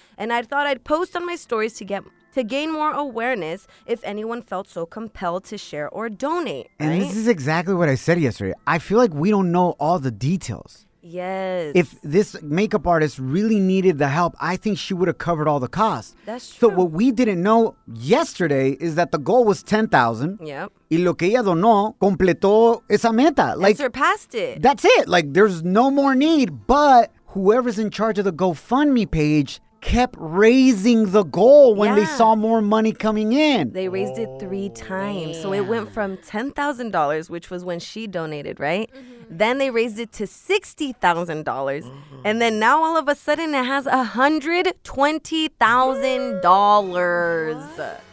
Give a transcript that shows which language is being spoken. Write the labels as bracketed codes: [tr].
[en] And I thought I'd post on my stories to get to gain more awareness if anyone felt so compelled to share or donate. Right? And this is exactly what I said yesterday. I feel like we don't know all the details. Yes. If this makeup artist really needed the help, I think she would have covered all the costs. That's true. So what we didn't know yesterday is that the goal was $10,000. Yep. [es] Y lo que ella donó completó esa meta. [en] Like, and surpassed it. That's it. Like, there's no more need. But whoever's in charge of the GoFundMe page kept raising the goal when they saw more money coming in. They raised it three times. Yeah. So it went from $10,000, which was when she donated, right? Then they raised it to $60,000. And then now all of a sudden it has $120,000.